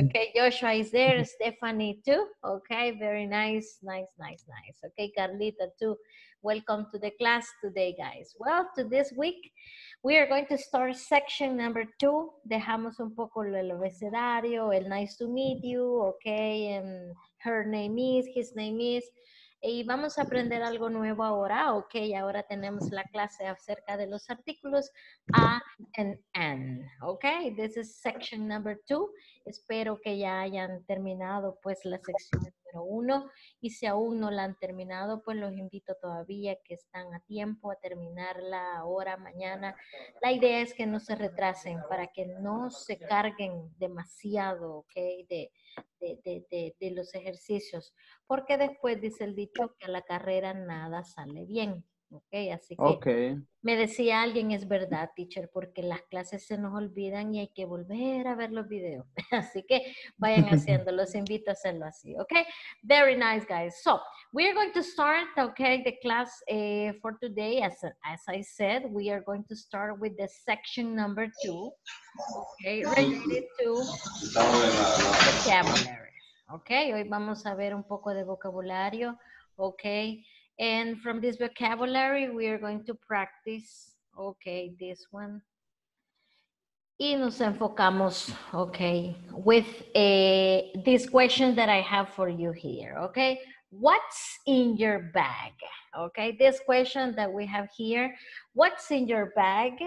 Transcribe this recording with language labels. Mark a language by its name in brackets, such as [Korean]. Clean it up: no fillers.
[English] Okay, Joshua is there. Stephanie too. Okay, very nice. Nice, nice, nice. Okay, Carlita too. Welcome to the class today, guys. Well, to this week, we are going to start section number 2. [Spanish] Dejamos un poco el abecedario, el [English] nice to meet you. Okay, and her name is, his name is. [Spanish] Y vamos a aprender algo nuevo ahora, ok, ahora tenemos la clase acerca de los artículos A and N, ok, [English] this is section number 2, [Spanish] espero que ya hayan terminado pues la sección número 1 y si aún no la han terminado pues los invito todavía que están a tiempo a terminarla ahora, mañana, la idea es que no se retrasen para que no se carguen demasiado, ok, de los ejercicios, porque después dice el dicho que a la carrera nada sale bien, ¿ok? Así que [English] okay. [Spanish] Me decía alguien, es verdad, teacher, porque las clases se nos olvidan y hay que volver a ver los videos, así que vayan haciendo, los invito a hacerlo así, ¿ok? [English] Very nice, guys. So, we are going to start, okay, the class for today, as I said, we are going to start with the section number 2. Okay, related to vocabulary. [Spanish] Okay, hoy vamos a ver un poco de vocabulario. [English] Okay, and from this vocabulary, we are going to practice. Okay, this one. [Spanish] Y nos enfocamos, [English] okay, with this question that I have for you here. Okay, what's in your bag? Okay, this question that we have here, what's in your bag?